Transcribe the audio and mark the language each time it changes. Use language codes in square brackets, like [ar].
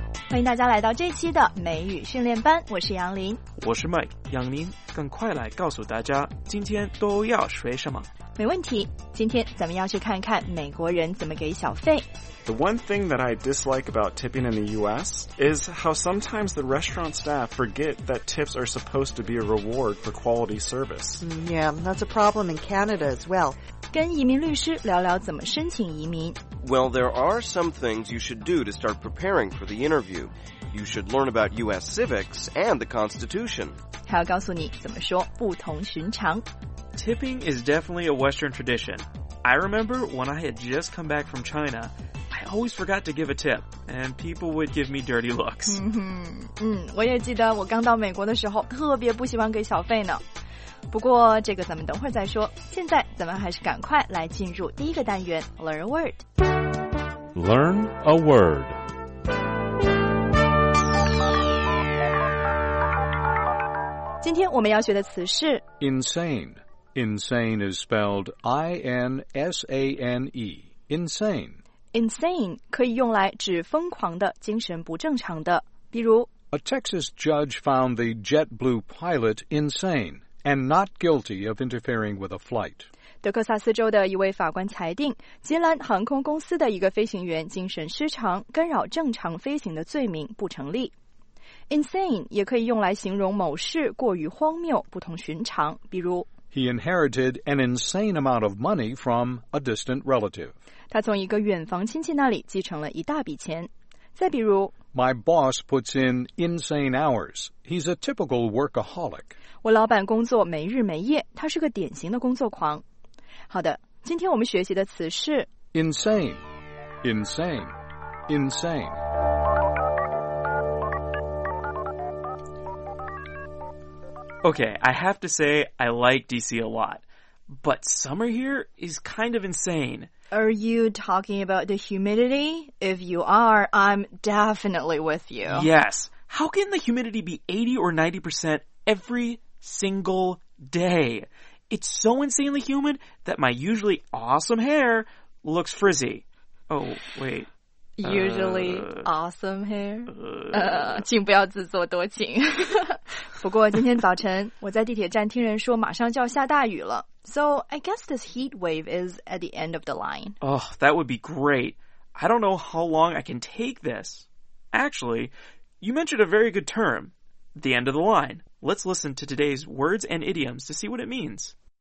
[zh] 欢迎大家来到这期的美语训练班，我是杨林。我是 Mike， 杨林，赶快来告诉大家今天都要学什么。没问题，今天咱们要去看看美国人怎么给小费。 [en] The one thing that I dislike about tipping in the U.S. is how sometimes the restaurant staff forget that tips are supposed to be a reward for quality service. Yeah, that's a problem in Canada as well. [zh] 跟移民律师聊聊怎么申请移民。 [en] Well, there are some things you should do to start preparing for the interview. You should learn about U.S. civics and the Constitution. [zh] 还要告诉你怎么说不同寻常。 [en] Tipping is definitely a Western tradition. I remember when I had just come back from China, I always forgot to give a tip, and people would give me dirty looks. [zh] 我也记得我刚到美国的时候特别不喜欢给小费呢。不过这个咱们等会儿再说，现在咱们还是赶快来进入第一个单元 Learn a Word。 [en] Learn a Word。 [zh] 今天我们要学的词是 [en] Insane。 Insane is spelled I-N-S-A-N-E, insane. [zh] Insane 可以用来指疯狂的、精神不正常的。比如 [en] A Texas judge found the JetBlue pilot insane and not guilty of interfering with a flight. [zh] 德克萨斯州的一位法官裁定吉兰航空公司的一个飞行员精神失常、干扰正常飞行的罪名不成立。 Insane 也可以用来形容某事过于荒谬、不同寻常。比如 [en] He inherited an insane amount of money from a distant relative. [zh] 他从一个远房亲戚那里继承了一大笔钱。再比如 [en] My boss puts in insane hours. He's a typical workaholic. [zh] 我老板工作没日没夜，他是个典型的工作狂。好的，今天我们学习的词是 [en] insane, insane, insane. Okay, I have to say I like D.C. a lot, but summer here is kind of insane. Are you talking about the humidity? If you are, I'm definitely with you. Yes. How can the humidity be 80 or 90% every single day? It's so insanely humid that my usually awesome hair looks frizzy. Oh, wait. Usually awesome hair. [zh] 请不要自作多情。不过今天早晨我在地铁站听人说马上就要下大雨了。 [en] So I guess this heat wave is at the end of the line. Oh, that would be great. I don't know how long I can take this. Actually, you mentioned a very good term, the end of the line. Let's listen to today's words and idioms to see what it means.